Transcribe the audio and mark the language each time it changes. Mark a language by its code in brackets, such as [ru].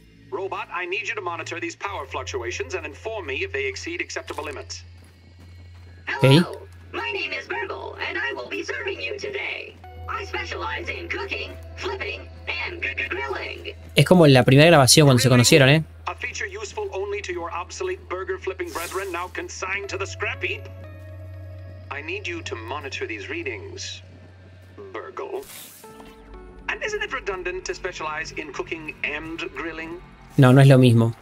[en] Robot, I need you to monitor these power fluctuations and inform me if they exceed acceptable limits. Hello, my name is Burble, and I will be serving you today. I specialize in cooking, flipping, and grilling. [es] Es como en la primera grabación cuando se conocieron, ¿eh? [en] A feature useful only to your obsolete burger flipping brethren now consigned to the scrap heap. I need you to monitor these readings, Burgle. And isn't it redundant to specialize in cooking and grilling? [es] No, no es lo mismo.